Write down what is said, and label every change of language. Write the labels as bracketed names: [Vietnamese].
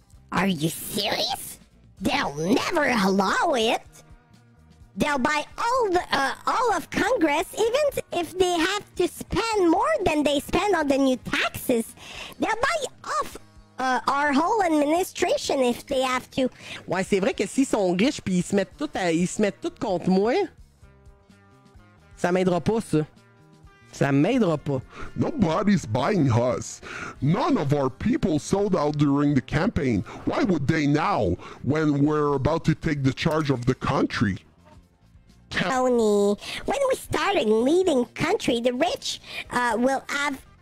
[English] Are you serious? They'll never allow it. They'll buy all of Congress, even if they have to spend more than they spend on the new taxes. They'll buy off our whole administration if they have to. [French] Ouais, c'est vrai que s'ils sont riches puis ils se mettent tout contre moi, ça m'aidera pas ça. Ça m'aidera pas. [English] Nobody's buying us. None of our people sold out during the campaign. Why would they now, when we're about to take the charge of the country? Tony, when we start a leading country, the rich will have.